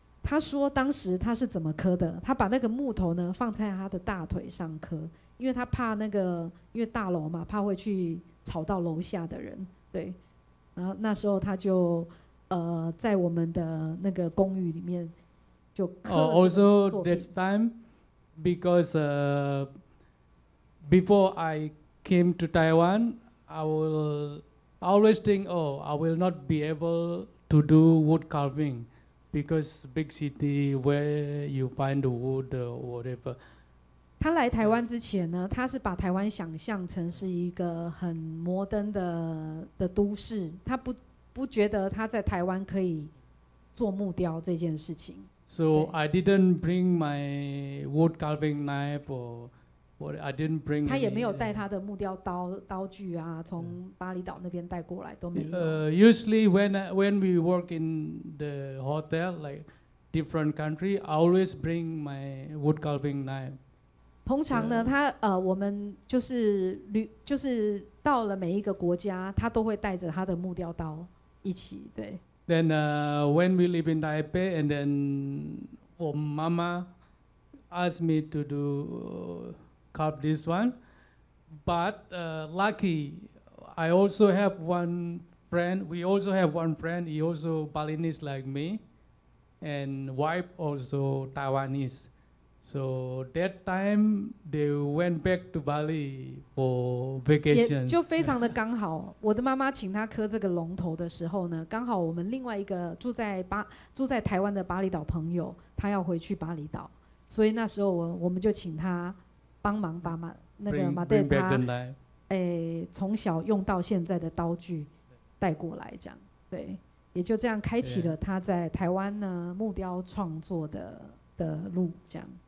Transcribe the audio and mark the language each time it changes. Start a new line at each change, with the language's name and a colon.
Chinese: 她说当时她是怎么磕的，她把那个木头呢放在她的大腿上磕，因为她怕那个因为大楼嘛怕会去吵到楼下的人，对。然后那时候她就在我们的那个公寓里面就磕了这个作品。
English: Also this time because before I came to Taiwan, I will always think, oh, I will not be able to do wood carving because big city where you find the wood or whatever.
Chinese: 他来台湾之前呢，他是把台湾想象成是一个很摩登 的都市，他 不觉得他在台湾可以做木雕这件事情。
English: So I didn't bring my wood carving knife or. I didn't bring
Chinese: 他也没有带他的木雕 刀具啊，从巴厘岛那边带过来都没有。
English: Usually when we work in the hotel, like different country, I always bring my wood carving knife.
Chinese: 通常呢，他我们就是到了每一个国家，他都会带着他的木雕刀一起。对。
English: Then when we live in Taipei, and then
Chinese: 我妈妈
English: asked me to do. Carve this one, but lucky, I also have one friend. We also have one friend. He also Balinese like me, and wife also Taiwanese. So that time they went back to Bali for vacation.
Chinese: 也就非常的刚好，我的妈妈请他刻这个龙头的时候呢，刚好我们另外一个住在台湾的巴厘岛朋友，他要回去巴厘岛，所以那时候我们就请他。帮忙把那个马代他，从小用到现在的刀具带过来，这样，对，也就这样开启了他在台湾呢木雕创作的路，这样。